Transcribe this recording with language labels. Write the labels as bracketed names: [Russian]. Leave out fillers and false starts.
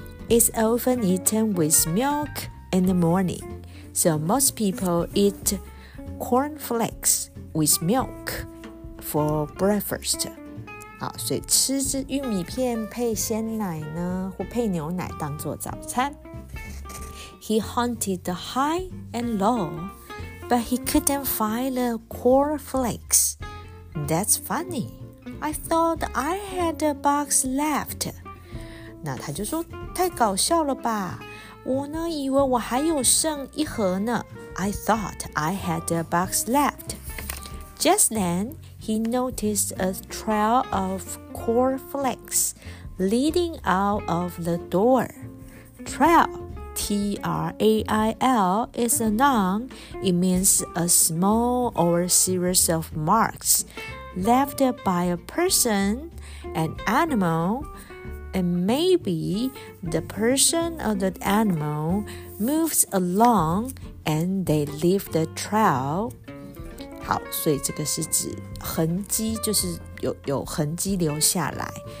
[English] It's often eaten with milk in the morning. So most people eat cornflakes with milk for breakfast. [Chinese] 好，所以吃这玉米片配鲜奶呢，或配牛奶当做早餐。 [English] He hunted high and low, but he couldn't find the cornflakes. That's funny. I thought I had a box left. [Chinese] 那他就说，太搞笑了吧？我呢，以为我还有剩一盒呢。 [English] I thought I had a box left. Just then,He noticed a trail of cornflakes leading out of the door. Trail, T-R-A-I-L, is a noun. It means a small or series of marks left by a person, an animal, and maybe the person or the animal moves along and they leave the trail. [Chinese] 好，所以这个是指痕迹，就是 有痕迹留下来。